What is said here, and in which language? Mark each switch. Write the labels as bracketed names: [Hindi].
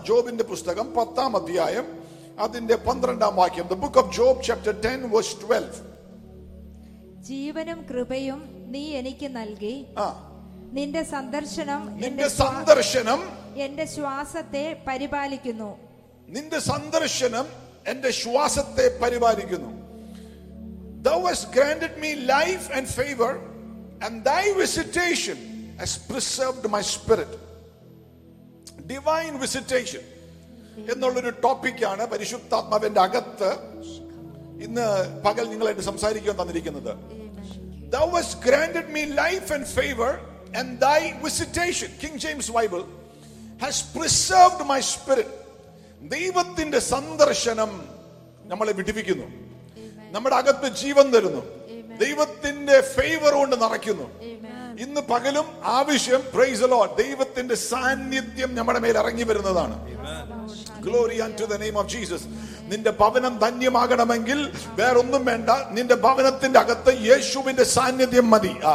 [Malayalam] ജോബിന്റെ പുസ്തകം 10-ാം അധ്യായം അതിന്റെ 12-ാം വാക്യം, [English] the book of Job chapter [Malayalam] 10:12. ജീവനും കൃപയും നീ എനിക്ക് നൽകി, നിന്റെ സന്ദർശനം എന്റെ ശ്വാസത്തെ പരിപാലിക്കുന്നു. നിന്റെ സന്ദർശനം എന്റെ ശ്വാസത്തെ പരിപാലിക്കുന്നു. [English] Thou hast granted me life and favor, and thy visitation has preserved my spirit. Divine visitation [Malayalam] എന്നുള്ളൊരു ടോപ്പിക്കാണ് പരിശുദ്ധാത്മാവിന്റെ അകത്ത് ഇന്ന് പകൽ നിങ്ങളായിട്ട് സംസാരിക്കാൻ തന്നിരിക്കുന്നത്. [English] Thou hast granted me life and favor, and thy visitation, King James Bible, has preserved my spirit. [Malayalam] ദൈവത്തിന്റെ സന്ദർശനം നമ്മളെ വിടുവിക്കുന്നു, നമ്മുടെ അകത്ത് ജീവൻ തരുന്നു, ദൈവത്തിന്റെ ഫേവർ കൊണ്ട് നിറയ്ക്കുന്നു. ഇന്ന് പകലും ആവശ്യം, [English] praise the Lord, [Malayalam] ദൈവത്തിന്റെ സാന്നിധ്യം നമ്മുടെ മേൽ ഇറങ്ങി വരുന്നതാണ്. [English] Glory unto the name of Jesus. [Malayalam] നിന്റെ ഭവനം ധന്യമാകണമെങ്കിൽ വേറൊന്നും വേണ്ട, നിന്റെ ഭവനത്തിന്റെ അകത്ത് യേശുവിന്റെ സാന്നിധ്യം മതി.